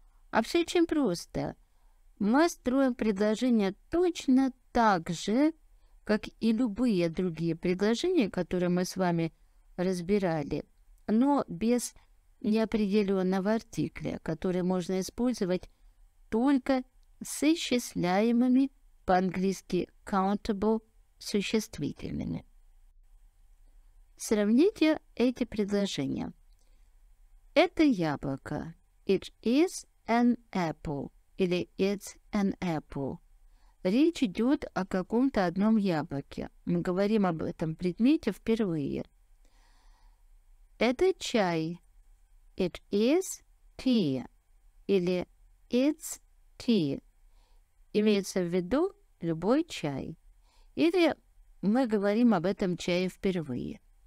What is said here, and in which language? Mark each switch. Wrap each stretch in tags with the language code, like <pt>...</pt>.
<ru>А все очень просто. Мы строим предложение точно так же, как и любые другие предложения, которые мы с вами разбирали, но без неопределенного артикля, который можно использовать только с исчисляемыми, по-английски countable, существительными. Сравните эти предложения. Это яблоко.</ru> <en>It is an apple. Или it's an apple.</en> <ru>Речь идет о каком-то одном яблоке. Мы говорим об этом предмете впервые. Это чай.</ru> <en>It is tea. Или it's tea.</en> <ru>Имеется в виду любой чай. Или мы говорим об этом чае впервые.</ru>